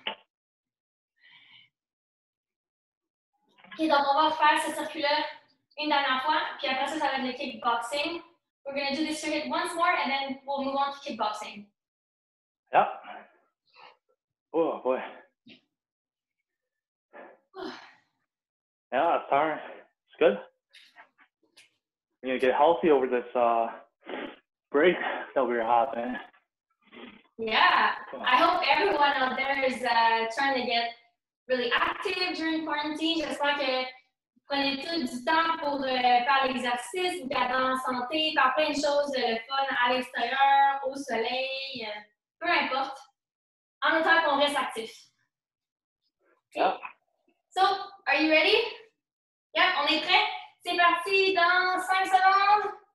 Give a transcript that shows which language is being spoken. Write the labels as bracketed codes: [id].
[fr] OK, donc on va faire ce circuit-là une dernière fois, puis après ça, ça va être le kickboxing. [en] We're going to do this circuit once more, and then we'll move on to kickboxing. Yeah. Oh boy. Yeah, it's tiring. It's good. I'm gonna get healthy over this break that we're having. Yeah, I hope everyone out there is trying to get really active during quarantine. [fr] J'espère que vous prenez tout du temps pour faire l'exercice, vous garder en santé, faire plein de choses de fun à l'extérieur, au soleil, peu importe. En même temps qu'on reste actif. [en] Okay. Yeah. So, are you ready? Yeah, [fr] on est prêt. C'est parti dans 5 secondes.